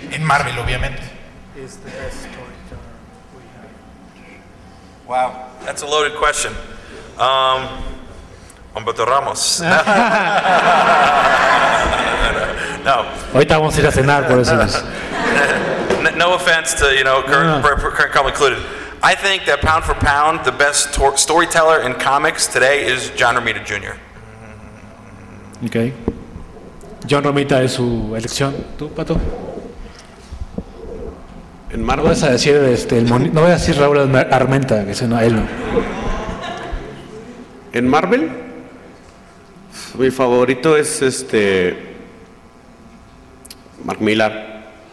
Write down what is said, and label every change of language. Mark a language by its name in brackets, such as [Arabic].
[Spanish] En Marvel, obviamente. [English] Wow, that's a loaded question. Humberto Ramos. No. [Spanish] Ahorita vamos a ir a cenar, por eso. [English] No offense to, you know, current comic included. I think that pound for pound, the best storyteller in comics today is John Romita Jr. [Spanish] Okay. John Romita es su elección. ¿Tú, Pato? Marco, vas a decir, no voy a decir Raúl Armenta, que es él. ¿En Marvel? Mi favorito es Mark Millar.